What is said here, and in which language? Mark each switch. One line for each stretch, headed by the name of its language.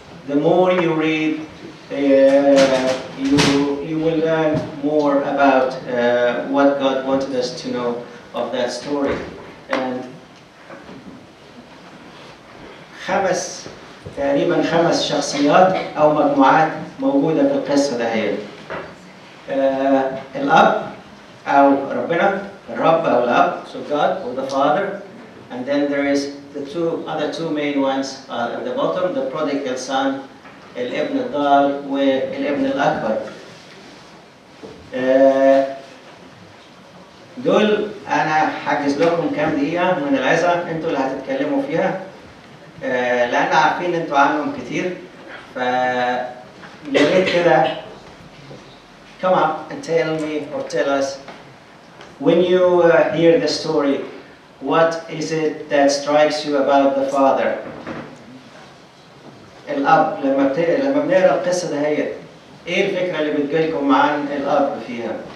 English: The more you read, you will learn more about what God wanted us to know of that story.
Arabic: And خمس تقريبا خمس شخصيات او مجموعات موجوده في القصه دهي. الاب او ربنا، الرب او الاب،
English: so God or the father. And then there is the two other two main ones at the bottom, the prodigal son,
Arabic: الابن الضال والابن الاكبر. دول انا حاجز لكم كام دقيقه من العظه انتوا اللي هتتكلموا فيها، لان عارفين انتوا عنهم كتير. ف ليه كده؟
English: come up and tell me or tell us when you hear the story, what is it that strikes you about the father?
Arabic: الاب، لما بنقرا القصه دهيت ايه الفكره اللي بتجيلكم عن الاب فيها؟